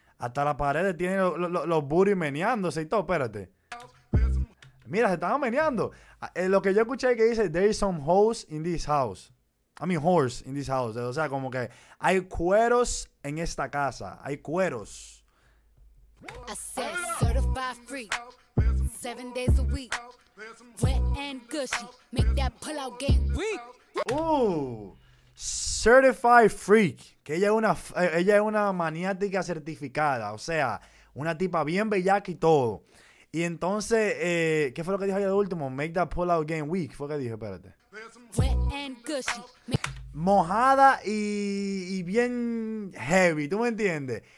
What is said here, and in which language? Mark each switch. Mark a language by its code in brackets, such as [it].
[es] Hasta las paredes tienen los booty meneándose y todo. Espérate. Mira, se estaban meneando. Lo que yo escuché que dice: [en] there is some hoes in this house. Horse in this house. [es] O sea, como que hay cueros en esta casa. Hay cueros. [en] I said certified freak, 7 days a week, wet and gushy, make that pull out game weak. Certified freak, [es] que ella es una maniática certificada, o sea, una tipa bien bellaca y todo. Y entonces, ¿qué fue lo que dijo ella de último? [en] Make that pull out game weak, [es] fue lo que dijo, espérate. [en] Wet and gushy. [es] Mojada y bien heavy, ¿tú me entiendes?